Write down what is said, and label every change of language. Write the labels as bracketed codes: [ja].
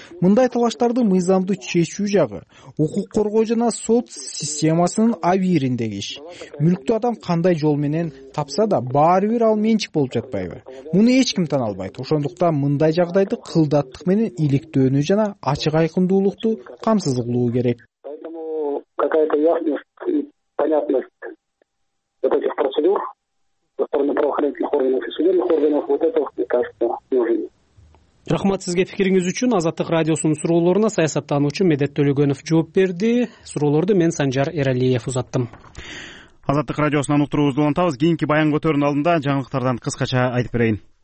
[ky] Мындай талаштарды мыйзамды чечүү жагы, укук коргоо жана сот системасынын абийириндеги иш. Мүлктү адам кандай жол менен тапса да, баары бир ал менчик болуп жатпайбы? Муну эч ким тана албайт. Ошондуктан мындай жагдайды кылдаттык менен иликтөөнү жана ачык айкындуулукту камсыз кылуу керек. [ru] Поэтому какая-то ясность и понятность вот этих процедур со стороны правоохранительных органов и судебных органов, вот это, мне кажется, нужно. [ky] Рахмат сизге пикириңиз үчүн. Азаттык радиосунун суроолоруна саясаттануучу Медет Төлөгөнов жооп берди. Суроолорду мен Санжар Эралиев узаттым. Азаттык радиосунан уктуруубузду улантабыз. Кийинки баян көтөрүүнүн алдында жаңылыктардан кыскача айтып берейин.